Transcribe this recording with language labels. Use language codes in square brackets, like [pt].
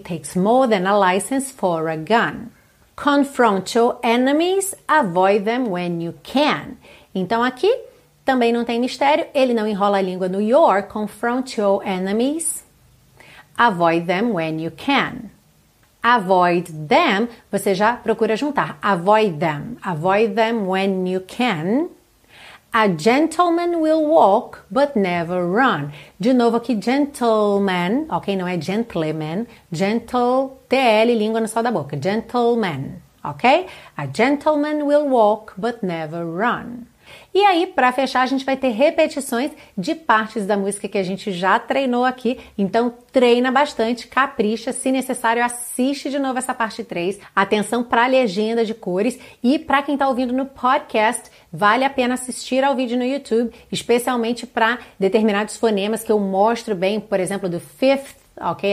[en] Takes more than a license for a gun. Confront your enemies, avoid them when you can. [pt] Então, aqui, também não tem mistério, ele não enrola a língua no your. [en] Confront your enemies, avoid them when you can. Avoid them, [pt] você já procura juntar. [en] Avoid them when you can. A gentleman will walk, but never run. [pt] De novo aqui, gentleman, ok? Não é gentleman. Gentle, TL, língua no sol da boca. [en] Gentleman, ok? A gentleman will walk, but never run. [pt] E aí, pra fechar, a gente vai ter repetições de partes da música que a gente já treinou aqui. Então, treina bastante, capricha. Se necessário, assiste de novo essa parte 3. Atenção pra legenda de cores. E pra quem tá ouvindo no podcast, vale a pena assistir ao vídeo no YouTube, especialmente para determinados fonemas que eu mostro bem, por exemplo, do fifth, ok?